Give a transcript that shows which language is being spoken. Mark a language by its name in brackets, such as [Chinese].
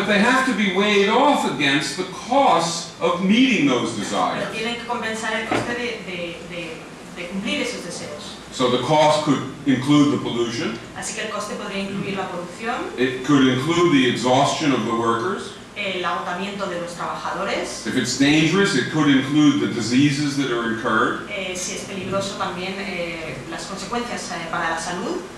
[English] But they have to be weighed off against the cost of meeting those desires. [Spanish] Pero tienen que compensar el coste de cumplir esos deseos. [English] So the cost could include the pollution. [Spanish] Así que el coste podría incluir la polución. [English] It could include the exhaustion of the workers. [Spanish] El agotamiento de los trabajadores. [English] If it's dangerous, it could include the diseases that are incurred. [Spanish] Si es peligroso también las consecuencias para la salud.